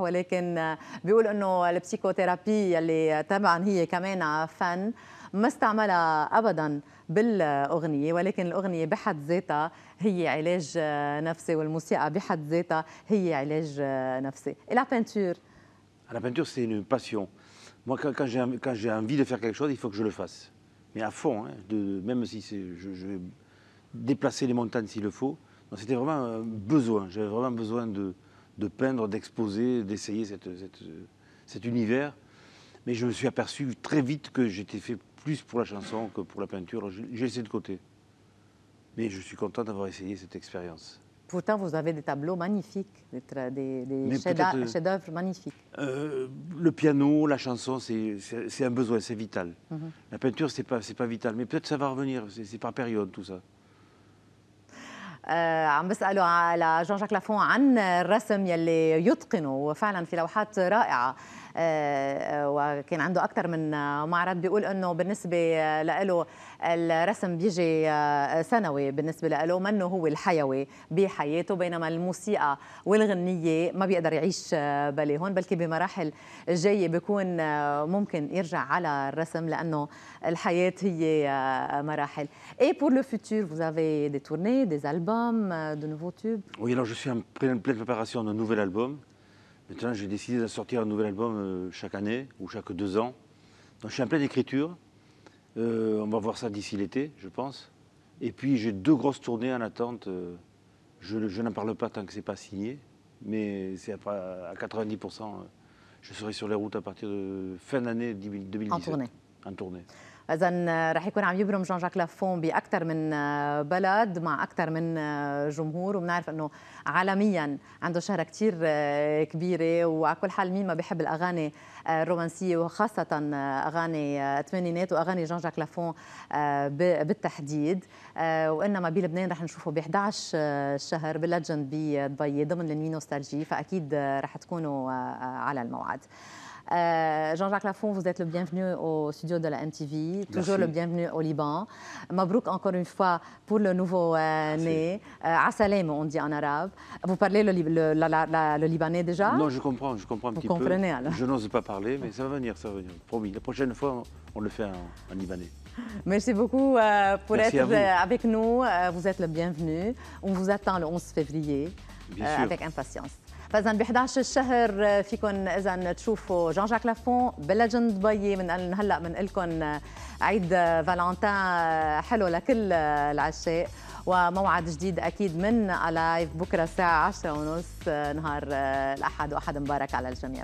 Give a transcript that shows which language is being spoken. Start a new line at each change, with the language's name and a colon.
Arabic: ولكن بيقول أنه البسيكوثيرابي اللي طبعا هي كمان فن ما استعملها أبدا بالأغنية, ولكن الأغنية بحد ذاتها هي علاج نفسي, والموسيقى بحد ذاتها هي علاج نفسي.
French: Et la peinture? La peinture c'est une passion. Moi quand j'ai envie de faire quelque chose, il faut que je le fasse. Mais à fond, hein, même si je vais déplacer les montagnes s'il le faut. Donc, c'était vraiment un besoin. J'avais vraiment besoin de peindre, d'exposer, d'essayer cet univers. Mais je me suis aperçu très vite que j'étais fait plus pour la chanson que pour la peinture. J'ai laissé de côté. Mais je suis content d'avoir essayé cette expérience. Pourtant, vous avez des tableaux magnifiques, des chefs-d'œuvre magnifiques. Le piano, la chanson, c'est un besoin, c'est vital. Mm-hmm. La peinture, c'est pas vital. Mais peut-être ça va revenir, c'est par période tout ça.
Arabic: عم بسألوا على جان-جاك لافون عن الرسم يلي يتقنه, وفعلا في لوحات رائعة وكان عنده أكثر من معرض. بيقول أنه بالنسبة لإله الرسم بيجي سنوي بالنسبة لإله, منه هو الحيوي بحياته, بينما الموسيقى والغنية ما بيقدر يعيش بلي هون, بل بمراحل جاية بيكون ممكن يرجع على الرسم لأنه الحياة هي مراحل.
French: Et pour le futur, vous avez des tournées, des albums, de nouveaux tubes? Oui, alors je suis en pleine préparation d'un nouvel album. Maintenant, j'ai décidé de sortir un nouvel album chaque année ou chaque deux ans. Donc, je suis en pleine écriture. On va voir ça d'ici l'été, je pense. Et puis, j'ai deux grosses tournées en attente. Je n'en parle pas tant que ce n'est pas signé. Mais c'est à 90%. Je serai sur les routes à partir de fin d'année 2017. En tournée.
Arabic: إذن رح يكون عم يبرم جان-جاك لافون بأكثر من بلد مع أكثر من جمهور, وبنعرف أنه عالميا عنده شهرة كتير كبيرة. وعلى كل حال مين ما بيحب الأغاني الرومانسية وخاصة أغاني الثمانينات وأغاني جان-جاك لافون بالتحديد. وإنما بلبنان رح نشوفه ب 11 شهر باللجند بدبي ضمن النوي نوستالجي, فأكيد رح تكونوا على الموعد.
French: جان-جاك لافون, vous êtes le bienvenu au studio de la MTV. Merci. Toujours le bienvenu au Liban. Mabrouk encore une fois pour le nouveau né. Assalam, on dit en arabe. Vous parlez le libanais déjà? Non, je comprends un vous petit comprenez, peu. Alors. Je n'ose pas parler, mais ça va venir. Promis, la prochaine fois, on le fait en libanais. Merci beaucoup pour Merci être avec nous. Vous êtes le bienvenu. On vous attend le 11 février avec impatience.
Arabic: فإذن ب 11 الشهر فيكن إذن تشوفوا جان-جاك لافون بلجند دبي. من هلأ من إلكن عيد فالنتين حلو لكل العشاء, وموعد جديد أكيد من ألايف بكرة الساعة 10:30 نهار الأحد, وأحد مبارك على الجميع.